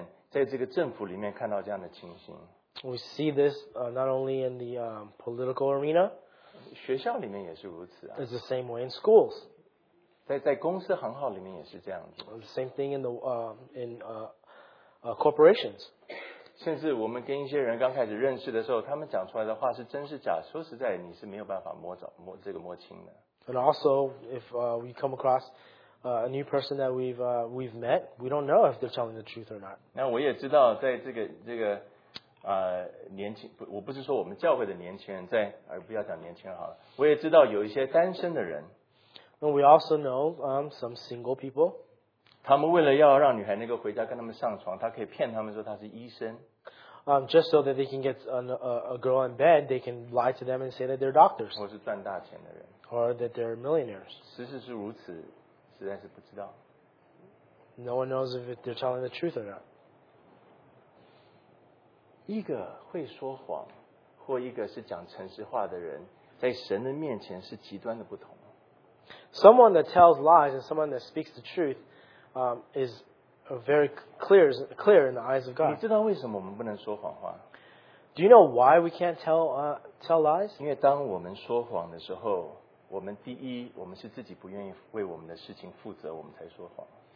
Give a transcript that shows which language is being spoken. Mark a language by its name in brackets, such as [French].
[Chinese] 事实上我们不但是在政治里面，在这个政府里面看到这样的情形。 [English] We see this not only in the political arena. [Chinese] 学校里面也是如此啊。 [English] It's the same way in schools. [Chinese] 在公司行号里面也是这样子。 [English] The same thing in the corporations. [Chinese] 甚至我们跟一些人刚开始认识的时候，他们讲出来的话是真是假，说实在你是没有办法摸清的。 [English] And also, if we come across a new person that we've met, we don't know if they're telling the truth or not. [Chinese] 那我也知道，在这个年轻，我不是说我们教会的年轻人，在，而不要讲年轻人好了。我也知道有一些单身的人。 [English] And we also know some single people. [Chinese] 他们为了要让女孩能够回家跟他们上床，他可以骗他们说他是医生。 [English] Just so that they can get a girl in bed, they can lie to them and say that they're doctors. [Chinese] 或是赚大钱的人。 [English] Or that they're millionaires. [Chinese] 实事是如此，实在是不知道。 [English] No one knows if they're telling the truth or not. [Chinese] 一个会说谎，或一个是讲诚实话的人，在神的面前是极端的不同。 [English] Someone that tells lies and someone that speaks the truth is very clear in the eyes of God. [Chinese] 你知道为什么我们不能说谎话？ [English] Do you know why we can't tell lies? [Chinese] 因为当我们说谎的时候，我们第一，我们是自己不愿意为我们的事情负责，我们才说谎。